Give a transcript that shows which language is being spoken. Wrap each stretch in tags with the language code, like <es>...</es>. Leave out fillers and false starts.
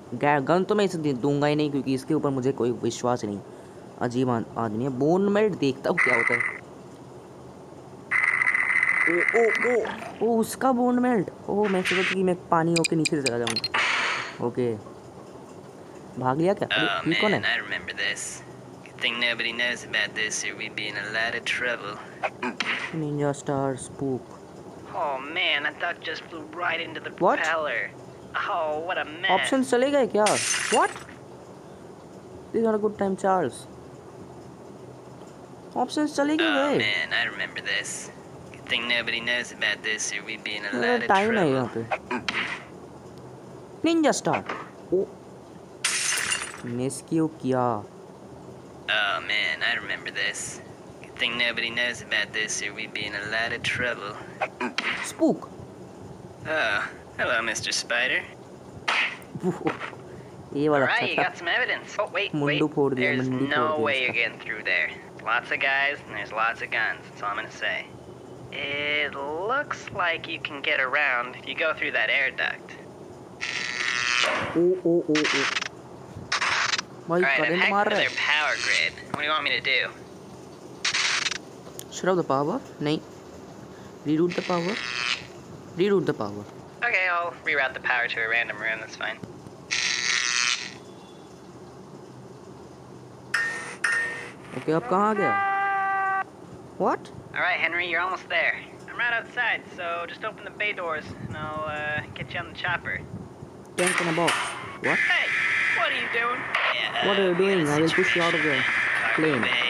<hi>Gun तो मैं इसे दूंगा ही नहीं, क्योंकि इसके ऊपर मुझे कोई विश्वास नहीं। अजीब आदमी है। बोन मेल्ट देखता हूँ क्या होता है। ओ, ओ, ओ, ओ, उसका बोन मेल्ट। ओ मैं सोच कि मैं पानी होके नीचे से चला जाऊँ। ओके भाग लिया क्या? ये कौन है?</hi> <en>I remember this. Good thing nobody knows about this or we'd be in a lot of trouble. Ninja Star Spook. Oh man, I thought just flew right into the propeller. Oh, what a mess.</en> <hi>Option चले गए क्या? What?</hi> <en>This is not a good time, Charles.</en> <hi>Options चले गए।</hi> <en>Oh man, I remember this. Good thing nobody knows about this or we'd be in a lot of trouble.</en> <hi>Time है यहाँ पे।</hi> <en>Ninja Star. Oh.</en> <hi>Miss क्यों किया?</hi> <en>Oh man, I remember this. Good thing nobody knows about this or we'd be in a lot of trouble. Spook. Oh, hello, Mr. Spider.</en> <hi>ये वाला अच्छा था।</hi> <en>Right, you got some evidence. Oh wait,</en> <hi>मुंडू फोड़ दिया।</hi> <en>There's no way you're getting through there. Lots of guys and there's lots of guns. That's all I'm gonna say. It looks like you can get around if you go through that air duct. Oh oh oh oh. All right, I've hacked their power grid. What do you want me to do? Shut up the power. No. Reroute the power. Reroute the power. Okay, I'll reroute the power to a random room. That's fine.</en> <hi>Okay, आप कहाँ गए?</hi> <en>What? All right, Henry, you're almost there. I'm right outside, so just open the bay doors, and I'll get you on the chopper. Tank in a box. What? Hey, what are you doing? What are you doing? I will push you out of the plane.</en>